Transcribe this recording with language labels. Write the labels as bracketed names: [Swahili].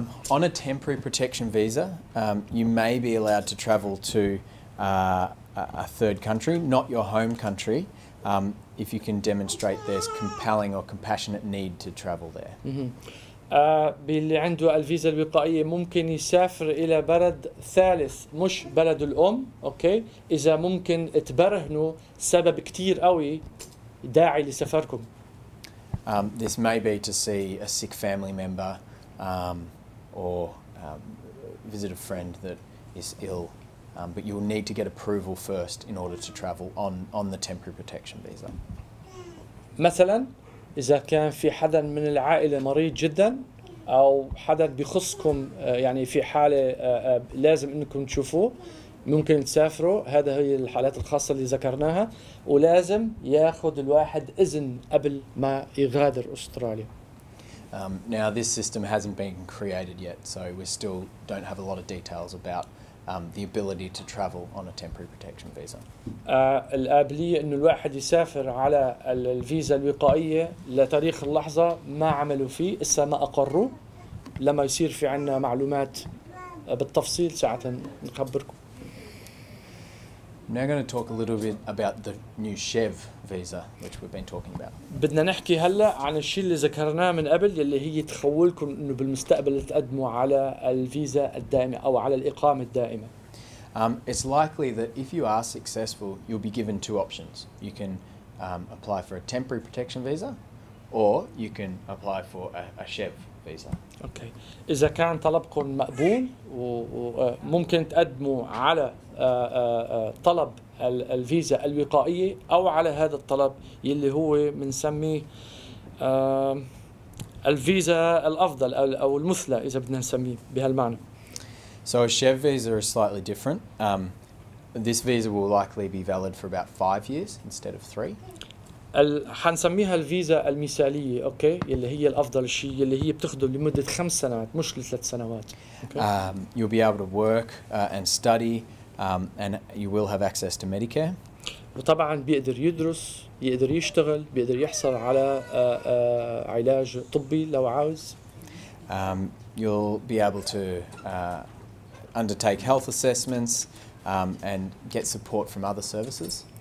[English] On a temporary protection visa, you may be allowed to travel to a third country, not your home country, if you can demonstrate there's compelling or compassionate need to travel there. [Arabic] باللي عنده الفيزا الوقائية ممكن يسافر إلى بلد ثالث مش بلد الأم، أوكي؟ إذا ممكن تبرهنوا سبب كتير قوي داعي لسفركم. [English] This may be to see a sick family member or visit a friend that is ill, but you'll need to get approval first in order to travel on the temporary protection visa. [Arabic] مثلاً إذا كان في حدا من العائلة مريض جدا أو حدا بيخصكم يعني في حالة لازم إنكم تشوفوه ممكن تسافروا هذا هي الحالات الخاصة اللي ذكرناها ولازم ياخذ الواحد إذن قبل ما يغادر أستراليا. [English] Now this system hasn't been created yet so we still don't have a lot of details about the ability to travel on a temporary protection visa. [Arabic] الآبلية إنه الواحد يسافر على الفيزا الوقائية لتاريخ اللحظة ما عملوا فيه إسا ما أقروا لما يصير في عنا معلومات بالتفصيل ساعة نخبركم. [English] Now I'm going to talk a little bit about the new Chev visa which we've been talking about. [Arabic] بدنا نحكي هلا عن الشيء اللي ذكرناه من قبل يلي هي تخولكم انه بالمستقبل تقدموا على الفيزا الدائمه او على الاقامه الدائمه. [English] It's likely that if you are successful you'll be given two options. You can apply for a temporary protection visa or you can apply for a chef visa. Okay. [Arabic] إذا كان طلبكم مقبول وممكن تقدموا على طلب الفيزا الوقائية أو على هذا الطلب يلي هو منسميه الفيزا الأفضل أو المثلى إذا بدنا نسميه بهالمعنى. [English] So a chef visa is slightly different. This visa will likely be valid for about 5 years instead of 3. [Arabic] حنسميها الفيزا المثالية، أوكي، اللي هي الأفضل شيء، اللي هي بتخدم لمدة 5 سنوات، مش لثلاث سنوات. [English] You'll be able to work and study, and you will have access to Medicare. [Arabic] وطبعاً بيقدر يدرس، يقدر يشتغل، بيقدر يحصل على علاج طبي لو عاوز. [English] You'll be able to undertake health assessments and get support from other services.